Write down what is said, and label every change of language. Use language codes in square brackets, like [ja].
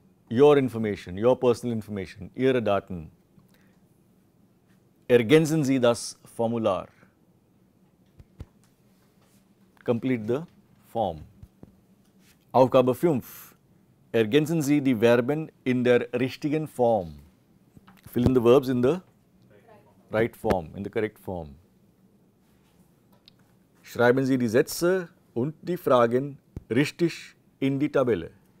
[en] Your information, your personal information. [de] Ihre Daten. Ergänzen Sie das Formular. [en] complete the form. [de] Aufgabe 5. Ergänzen Sie die Verben in der richtigen Form. [en] Fill in the verbs in the right form, in the correct form. [de] Schreiben Sie die Sätze und die Fragen richtig in die Tabelle.